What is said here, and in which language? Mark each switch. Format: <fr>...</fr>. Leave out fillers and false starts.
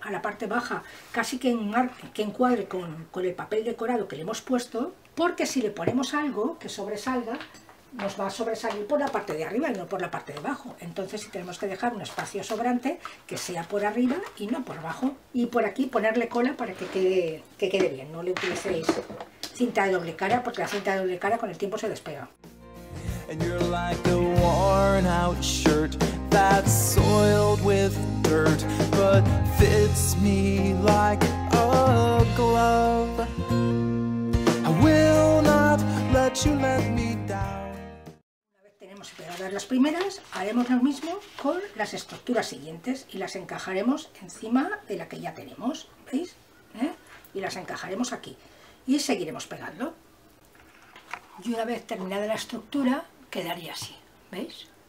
<es>A la parte baja, casi que encuadre con el papel decorado que le hemos puesto, porque si le ponemos algo que sobresalga, nos va a sobresalir por la parte de arriba y no por la parte de abajo. Entonces si tenemos que dejar un espacio sobrante que sea por arriba y no por abajo. Y por aquí ponerle cola para que quede bien, no le utilicéis cinta de doble cara, porque la cinta de doble cara con el tiempo se despega.</es> <en>And you're like a worn out shirt that's soiled with dirt, but fits me like a glove. I will not let you let me down.</en> <es>Una vez tenemos pegadas las primeras, haremos lo mismo con las estructuras siguientes y las encajaremos encima de la que ya tenemos, ¿veis? ¿Eh? Y las encajaremos aquí. Y seguiremos pegando. Y una vez terminada la estructura, quedaría así. ¿Veis?</es>